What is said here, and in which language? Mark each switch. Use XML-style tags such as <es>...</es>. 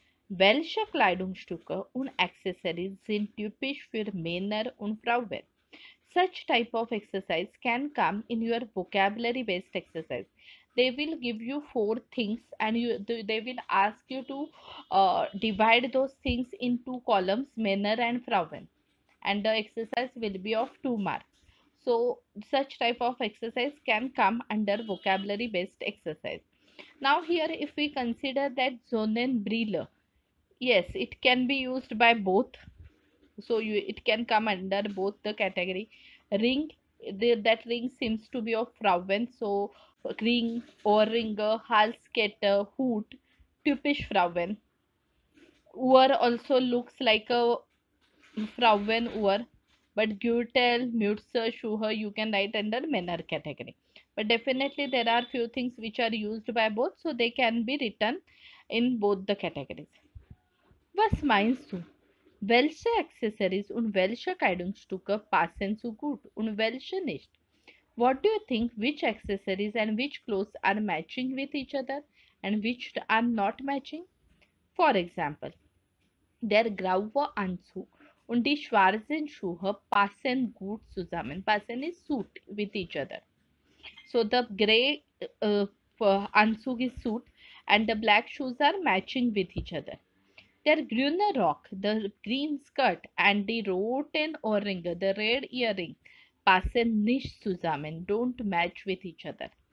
<de>Welche Kleidungsstücke und Accessories sind typisch für Männer und Frauen?</de> <en>Such type of exercise can come in your vocabulary based exercise. They will give you four things and they will ask you to divide those things into columns, Männer and Frauen. And the exercise will be of 2 marks. So, such type of exercise can come under vocabulary based exercise. Now, here if we consider that Sonnenbrille. Yes, it can be used by both. So it can come under both the category. Ring, that ring seems to be of Frauen.</en> <de>So ring, Ohrringe, Halskette, Hut, typisch Frauen.</de> <en>Uhr also looks like a Frauen Uhr. But Gürtel, Mütze, Schuhe, you can write under Männer category. But definitely there are few things which are used by both. So they can be written in both the categories.</en> <de>Was meinst du? Welche Accessories und welche Kleidungsstücke passen so gut und welche nicht?</de> <en>What do you think? Which accessories and which clothes are matching with each other and which are not matching? For example,</en> <de>der graue Anzug und die schwarzen Schuhe passen gut zusammen.</de> <en>Passen is suit with each other. So the grey Anzug is suit and the black shoes are matching with each other.</en> <de>Der grüne Rock,</de> <en>the green skirt, and the</en> <de>roten Ohrringe,</de> <en>the red earring,</en> <de>passen nicht zusammen,</de> <en>don't match with each other.</en>